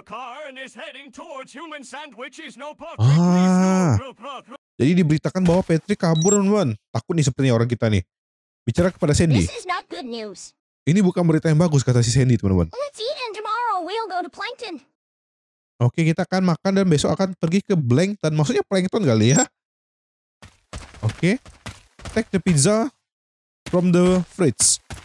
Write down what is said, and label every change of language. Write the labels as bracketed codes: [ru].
[en] Car and is heading towards human sandwiches. No, [id] Patrick. Jadi diberitakan bahwa Patrick kabur, teman-teman. Takut nih sepertinya orang kita nih. Bicara kepada Sandy. [en] This is not good news. [id] Ini bukan berita yang bagus, kata si Sandy, teman-teman. [en] Let's eat and tomorrow we'll go to Plankton. [id] Oke, kita akan makan dan besok akan pergi ke Plankton. Maksudnya Plankton kali ya. Oke. [en] Take the pizza from the fridge.